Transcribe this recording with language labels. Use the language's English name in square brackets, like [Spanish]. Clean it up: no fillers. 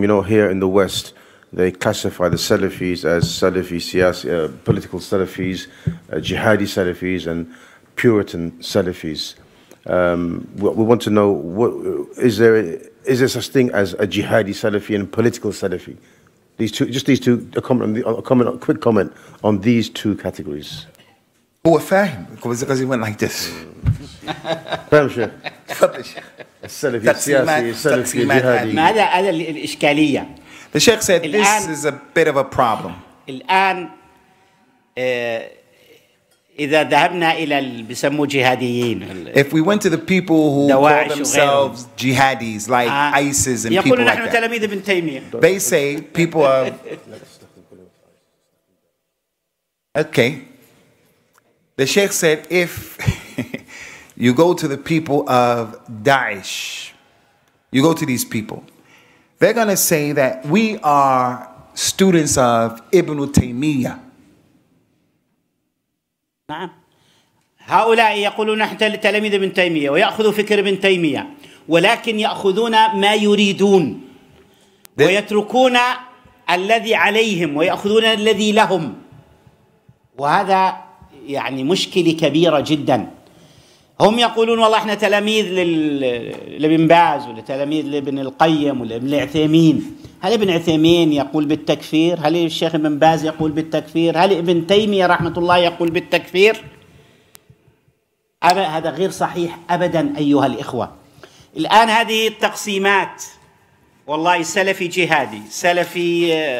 [English] You know, here in the West, they classify the Salafis as Salafi, Siyasi, political Salafis, Jihadi Salafis, and Puritan Salafis. We want to know, is there such thing as a Jihadi Salafi and political Salafi? These two, just these two, a quick comment on these two categories. [Arabic] هو فاهم [English] because he went like this. [Arabic] فاهم شيخ؟ تفضل شيخ. السلفي السياسي السلفي الجهادي. ماذا الإشكالية؟ [English] The Sheikh said this is a bit of a problem. [Arabic] الآن إذا ذهبنا إلى بسموه جهاديين. [English] If we went to the people who call themselves jihadis, like ISIS and people like that, they say people are okay. The Sheikh said, if you go to the people of Daesh, you go to these people, they're going to say that we are students of Ibn Taymiyyah. [Arabic] هؤلاء يقولون نحن تلاميذ ابن تيمية ويأخذوا فكر ابن تيمية ولكن يأخذون ما يريدون ويتركون الذي عليهم ويأخذون الذي لهم وهذا يعني مشكلة كبيرة جدا هم يقولون والله احنا تلاميذ لابن باز ولتلاميذ لابن القيم ولابن العثيمين هل ابن عثيمين يقول بالتكفير هل الشيخ ابن باز يقول بالتكفير هل ابن تيمية رحمة الله يقول بالتكفير هذا غير صحيح أبدا أيها الإخوة الآن هذه التقسيمات والله سلفي جهادي سلفي